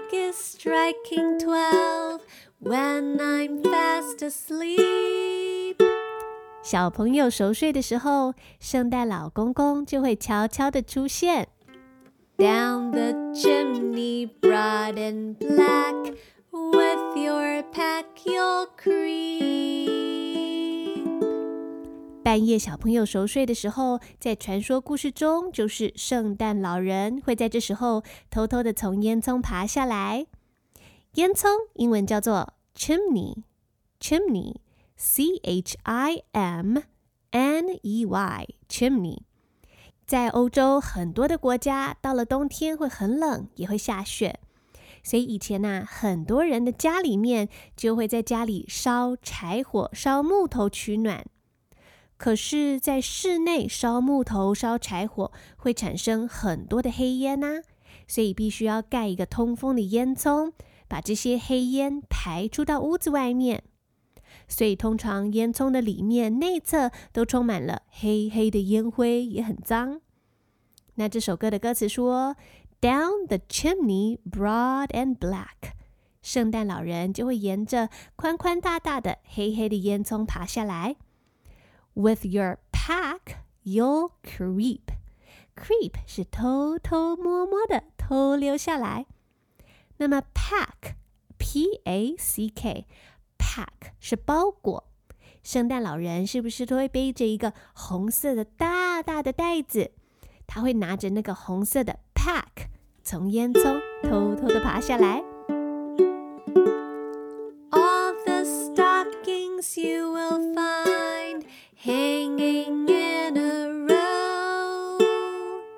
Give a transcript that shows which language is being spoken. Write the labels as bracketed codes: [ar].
[en] Striking 12 when I'm fast asleep. [zh] 小朋友熟睡的时候，圣诞老公公就会悄悄地出现。 [en] Down the chimney, broad and black, with your pack, you'll creep. [zh] 半夜小朋友熟睡的时候，在传说故事中，就是圣诞老人会在这时候偷偷地从烟囱爬下来。烟囱英文叫做 chimney, C-H-I-M-N-E-Y, chimney. 在欧洲很多的国家，到了冬天会很冷，也会下雪。所以以前啊，很多人的家里面就会在家里烧柴火、烧木头取暖。可是在室内烧木头、烧柴火会产生很多的黑烟啊，所以必须要盖一个通风的烟囱，把这些黑烟排出到屋子外面。所以通常烟囱的里面内侧都充满了黑黑的烟灰，也很脏。那这首歌的歌词说 [en] Down the chimney broad and black， [zh] 圣诞老人就会沿着宽宽大大的黑黑的烟囱爬下来。 [en] With your pack you'll creep， [zh] creep 是偷偷摸摸的偷溜下来。那么 pack, P-A-C-K, pack 是包裹。圣诞老人是不是都会背着一个红色的大大的袋子？他会拿着那个红色的 pack 从烟囱偷偷地爬下来。 [en] All the stockings you will find hanging in a row。